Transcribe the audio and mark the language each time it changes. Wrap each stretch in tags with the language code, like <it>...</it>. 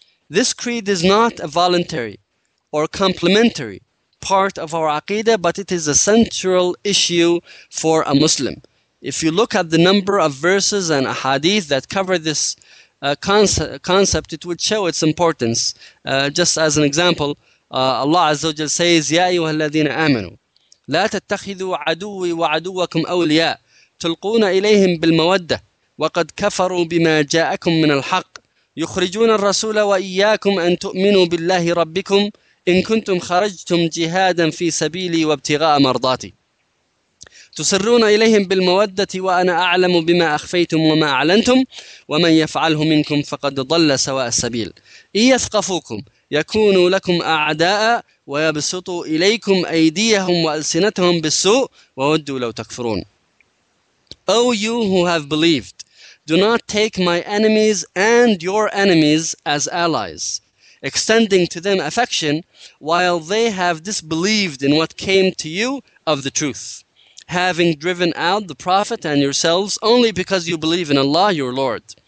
<en>This creed is not a voluntary or complementary part of our aqidah, but it is a central issue for a Muslim. If you look at the number of verses and ahadith that cover this concept, it would show its importance. Just as an example, Allah Azza wa Jal says,</en> <ar>يَا أَيُّهَا الَّذِينَ آمَنُوا لَا تَتَّخِذُوا عَدُوِّي وَعَدُوَّكُمْ أَوْلِيَاءَ تُلْقُونَ إِلَيْهِمْ بِالْمَوَدَّةِ وَقَدْ كَفَرُوا بِمَا جَاءَكُمْ مِنَ الْحَقِّ يُخْرِجُونَ الرَّسُولَ وَإِيَّاكُمْ أَن تُؤْمِنُوا بِاللَّهِ رَبِّكُمْ إِن كُنتُمْ خَرَجْتُمْ جِهَادًا فِي سَبِيلِي وَابْتِغَاءَ مَرْضَاتِي تُسِرُّونَ إِلَيْهِمْ بِالْمَوَدَّةِ وَأَنَا أَعْلَمُ بِمَا أَخْفَيْتُمْ وَمَا أَعْلَنْتُمْ وَمَنْ يَفْعَلْهُ مِنْكُمْ فَقَدْ ضَلَّ سَوَاءَ السَّبِيلِ إِنْ يَثْقَفُوكُمْ يكون لكم أعداء ويبسطوا إليكم أيديهم وألسنتهم بالسوء وودوا لو تكفرون.</ar> <en>O you who have believed, do not take my enemies and your enemies as allies, extending to them affection while they have disbelieved in what came to you of the truth, having driven out the Prophet and yourselves only because you believe in Allah your Lord.</en>